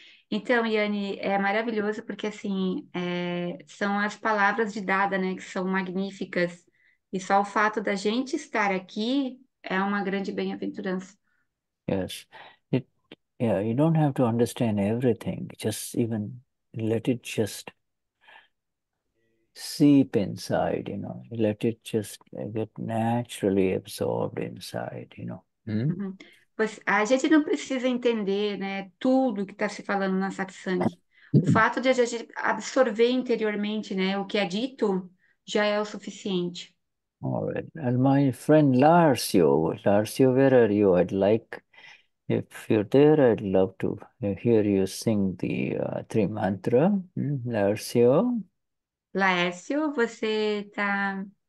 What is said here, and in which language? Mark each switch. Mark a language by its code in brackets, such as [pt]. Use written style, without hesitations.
[pt] Então, Yane, é maravilhoso porque assim são as palavras de Dada, né, que são magníficas. E só o fato da gente estar aqui é uma grande bem-aventurança. [en] Yes. You don't have to understand everything. Just even let it just seep inside, you know. Let it just get naturally absorbed inside, you know. [pt] Pois a gente não precisa entender, né, tudo que está se falando na satsang. O fato de a gente absorver interiormente, né, o que é dito já é o suficiente. [en] All right. And my friend Larcio, where are you? I'd like. If you're there, I'd love to hear you sing the three mantra, Larcio. [pt] Laércio, você está.